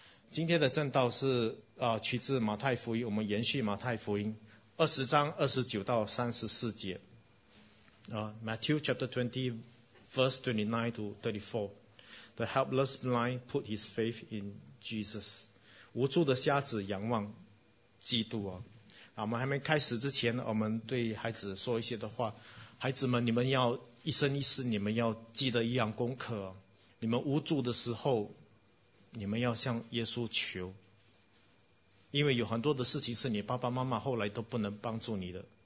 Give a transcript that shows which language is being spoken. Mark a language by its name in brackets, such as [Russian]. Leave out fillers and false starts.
[Chinese] 今天的正道是取自马太福音，我们延续马太福音20:29-34。 [English] Matthew chapter 20, verse 29 to 34. The helpless blind put his faith in Jesus. [Chinese] 无助的瞎子仰望基督啊。我们还没开始之前，我们对孩子说一些的话。孩子们，你们要一生一世，你们要记得一样功课。你们无助的时候，你们要向耶稣求，因为有很多的事情是你爸爸妈妈后来都不能帮助你的。